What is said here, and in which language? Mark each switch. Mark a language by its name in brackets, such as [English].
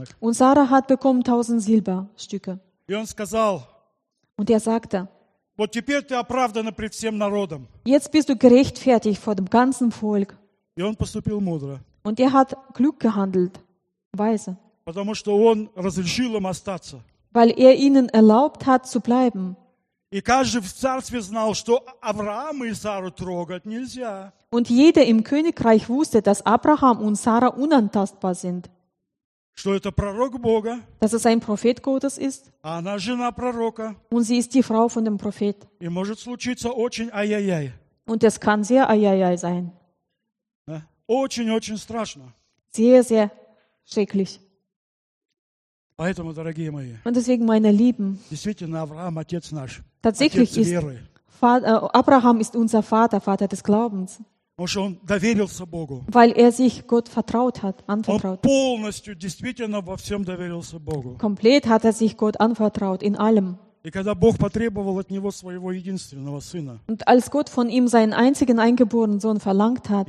[German] Und Sarah hat bekommen 1000 Silberstücke. [Russian] И он сказал. [German] Und er sagte. [Russian] Вот теперь ты оправдана пред всем народом. [German] Jetzt bist du gerechtfertigt vor dem ganzen Volk. [Russian] И он поступил мудро. [German] Und er hat klug gehandelt, weise. [Russian] Потому что он разрешил им остаться. [German] Weil er ihnen erlaubt hat zu bleiben. [Russian] И каждый в царстве знал, что Авраама и Сару трогать нельзя. [German] Und jeder im Königreich wusste, dass Abraham und Sarah unantastbar sind. [Russian] Что это пророк Бога? [German] Dass es ein Prophet Gottes ist. [Russian] А она жена пророка. [German] Und sie ist die Frau von dem Prophet. [Russian] И может случиться очень ай-яй-яй. [German] Und es kann sehr ай-яй-яй sein. [Russian] Очень-очень страшно. [German] Sehr-sehr schrecklich. [Russian] Поэтому, дорогие мои. [German] Und deswegen, meine Lieben. [Russian] Действительно, Авраам отец наш. [German] Tatsächlich ist Abraham ist unser Vater, Vater des Glaubens. [Russian] Потому что он доверился Богу. [German] Weil er sich Gott vertraut hat, anvertraut. [Russian] Он полностью, действительно, во всем доверился Богу. [German] Komplett hat er sich Gott anvertraut, in allem. [Russian] И когда Бог потребовал от него своего единственного сына. [German] Und als Gott von ihm seinen einzigen eingeborenen Sohn verlangt hat.